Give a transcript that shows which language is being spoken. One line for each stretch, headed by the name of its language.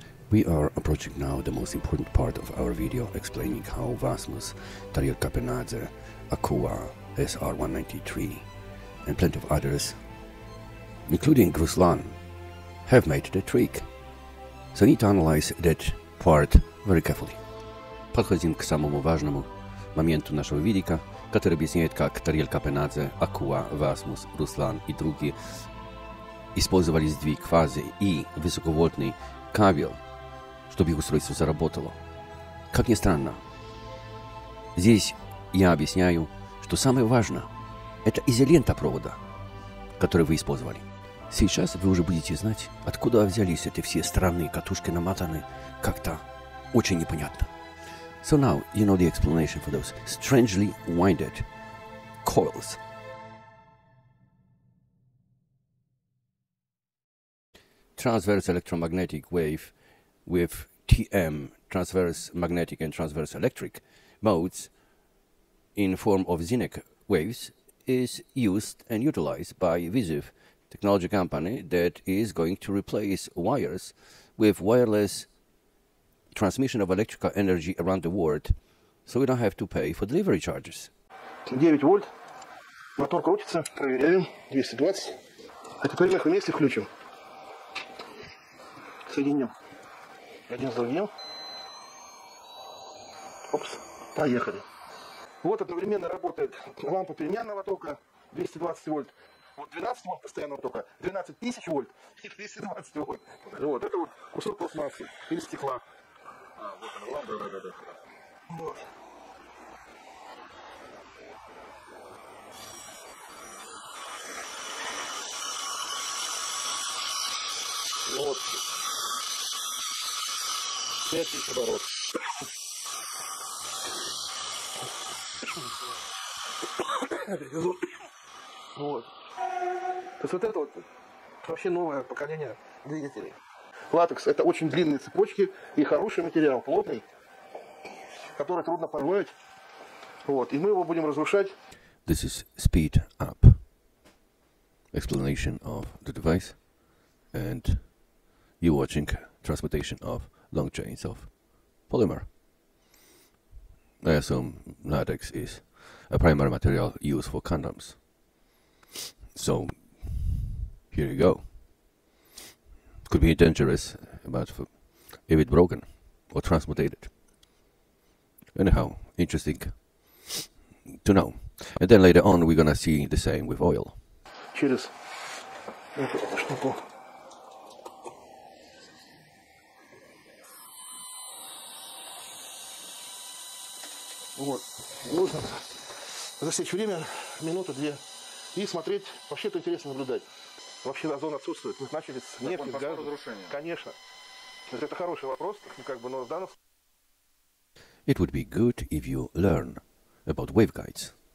English: We are approaching now the most important part of our video, explaining how Vasmus, Tahir Kapenadze, Akua, SR-193, and plenty of others, including Gruslan, have made the trick. So need to analyze that part very carefully.
Russian: Подходим к самому важному моменту нашего видика, который объясняет, как Тарьел Капенадзе, Акуа, Васмус, Руслан и другие использовали сдвиг фазы и высоковольтный кабель, чтобы их устройство заработало. Как ни странно, здесь я объясняю, что самое важное – это изолента провода, который вы использовали. Сейчас вы уже будете знать, откуда взялись эти все странные катушки, намотанные как-то очень непонятно.
English: So now you know the explanation for those strangely winded coils. Transverse electromagnetic wave with TM, transverse magnetic and transverse electric modes in form of Zinec waves is used and utilized by Visiv technology company that is going to replace wires with wireless transmission of electrical energy around the world, so we don't have to pay for delivery charges.
Russian: 9 вольт. Мотор крутится. Проверяем. 220. А теперь мы их вместе включим. Соединим. Один с другим. Опс. Поехали. Вот одновременно работает лампа переменного тока 220 вольт. Вот 12 вольт постоянного тока. 12000 вольт и 220 вольт. Вот это вот кусок пластмассы или стекла. А, вот она, лампа, да. Вот. Вот. 5 тысяч оборотов. Вот. То есть вот это вот вообще новое поколение двигателей. Латекс – это очень длинные цепочки и хороший материал, плотный, который трудно порвать. Вот, и мы его будем разрушать.
English: This is speed up explanation of the device, and you watching transmutation of long chains of polymer. I assume latex is a primary material used for condoms. So here you go. Could be dangerous, but if it broken or transmutated. Anyhow, interesting to know. And then later on, we're gonna see the same with oil.
Russian: Через эту штуку. Вот. Нужно засечь время, минуту, две, и смотреть. Вообще-то интересно наблюдать. Вообще озон отсутствует. Мы начали с нефти, газа. Так он разрушение. Конечно. Это хороший вопрос, как бы, но в данном случае...
English: It would be good if you learn about waveguides.